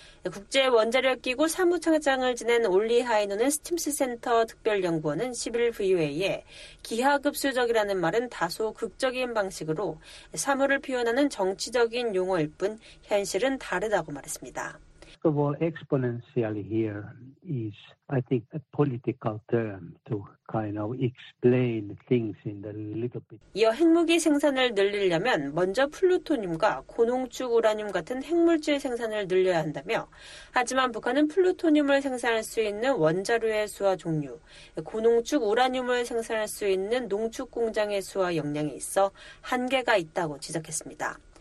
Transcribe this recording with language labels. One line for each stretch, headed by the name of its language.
Korean: 국제원자력기구 사무처장을 지낸 올리하이노는 스팀스센터 특별연구원은 11일 VOA에 기하급수적이라는 말은 다소 극적인 방식으로 사물을 표현하는 정치적인 용어일 뿐 현실은 다르다고 말했습니다.
English: The word exponential here is, I think, a political term to kind of explain things in a little bit.
Korean: 이어 핵무기 생산을 늘리려면 먼저 플루토늄과 고농축 우라늄 같은 핵물질 생산을 늘려야 한다며, 하지만 북한은 플루토늄을 생산할 수 있는 원자료의 수와 종류, 고농축 우라늄을 생산할 수 있는 농축 공장의 수와 역량에 있어 한계가 있다고 지적했습니다.